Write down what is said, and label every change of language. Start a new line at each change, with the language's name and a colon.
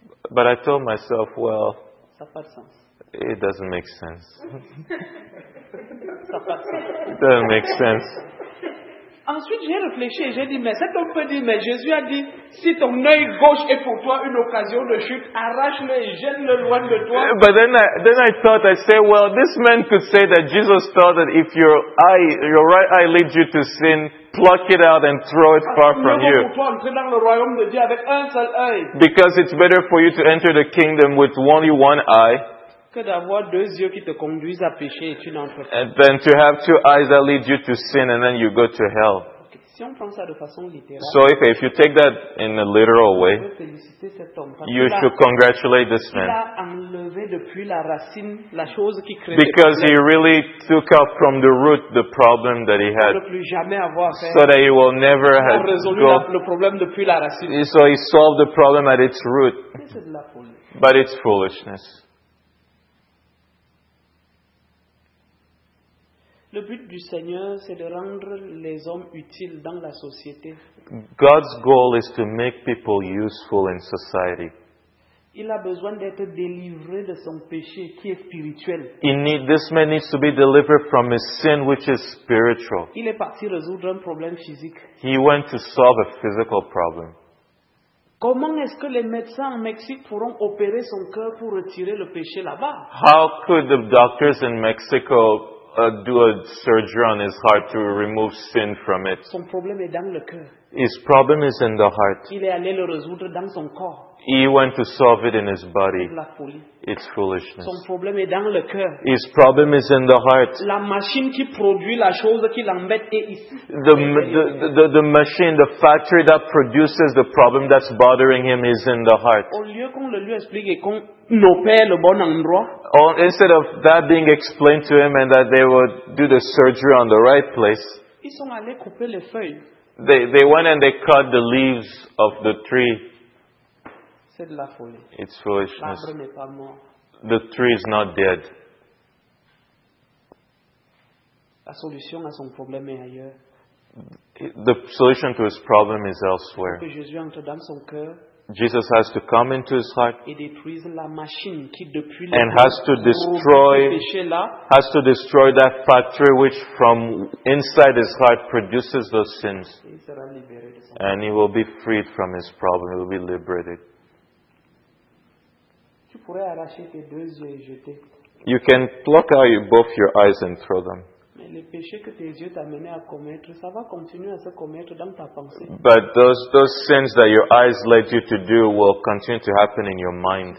English: But I told myself, well, it doesn't make sense. It doesn't make sense.
French: Ensuite, j'ai réfléchi et j'ai dit, mais cet homme peut dire, mais Jésus a dit, si ton œil gauche est pour toi une occasion de chute, arrache-le et jette-le loin de toi.
English: But then I said, well, this man could say that Jesus thought that if your right eye leads you to sin, pluck it out and throw it far from you. Because it's better for you to enter the kingdom with only one eye and then to have two eyes that lead you to sin and then you go to hell. So if you take that in a literal way, you should congratulate this man. Because he really took out from the root the problem that he had. So that he will never have gone. So he solved the problem at its root. But it's foolishness.
French: Le but du Seigneur, c'est de rendre les hommes utiles dans la société.
English: God's goal is to make people useful in society.
French: Il a besoin d'être délivré de son péché qui est spirituel.
English: This man needs to be delivered from his sin which is spiritual.
French: Il est parti résoudre un problème physique.
English: He went to solve a physical problem.
French: Comment est-ce que les médecins en Mexique pourront opérer son cœur pour retirer le péché là-bas?
English: How could the doctors in Mexico do a surgery on his heart to remove sin from it?
French: Son problème est dans le cœur.
English: His problem is in the heart.
French: Il est allé le résoudre dans son corps.
English: He went to solve it in his body.
French: La folie.
English: It's foolishness.
French: Son problème est dans le cœur.
English: His problem is in the heart.
French: La machine qui produit la chose qui l'embête est ici.
English: The machine, the factory that produces the problem that's bothering him is in the heart.
French: Au lieu qu'on le lui explique et qu'on opère le bon endroit.
English: Instead of that being explained to him and that they would do the surgery on the right place.
French: Ils sont allés couper les feuilles.
English: They went and they cut the leaves of the tree.
French: C'est de la folie.
English: It's foolishness.
French: L'arbre n'est pas mort.
English: The tree is not dead.
French: La solution à son problème est ailleurs.
English: The solution to his problem is elsewhere.
French: Que Jésus entre dans son cœur.
English: Jesus has to come into his heart
French: et détruise la machine qui depuis
English: and has to destroy that factory which from inside his heart produces those sins. And he will be freed from his problem. He will be liberated.
French: Tu pourrais arracher tes deux yeux et jeter.
English: You can pluck out both your eyes and throw them.
French: Mais les péchés que tes yeux t'amenaient à commettre, ça va continuer à se commettre dans ta pensée.
English: But those sins that your eyes led you to do will continue to happen in your mind.